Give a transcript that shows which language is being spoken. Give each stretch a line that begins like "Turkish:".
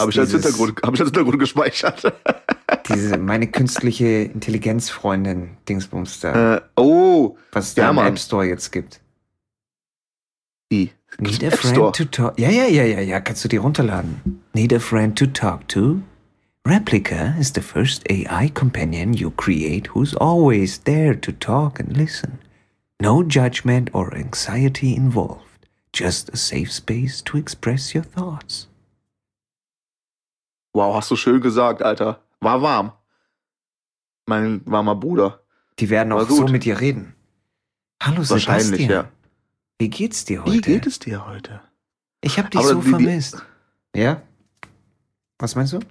German: Habe ich als Hintergrund gespeichert. Diese, meine künstliche Intelligenzfreundin, Dingsbums da. Was es da im App Store jetzt gibt.
English: Need a friend to talk.
German: Ja. Kannst du die runterladen?
English: Need a friend to talk to? Replica is the first AI companion you create who's always there to talk and listen. No judgment or anxiety involved. Just a safe space to express your thoughts.
German: Wow, hast du schön gesagt, Alter. War warm. Mein warmer Bruder. Die werden auch so mit dir reden. Hallo Sebastian. Wahrscheinlich, ja. Wie geht's dir heute? Wie geht es dir heute? Ich hab dich aber so vermisst. Ja? Was meinst du?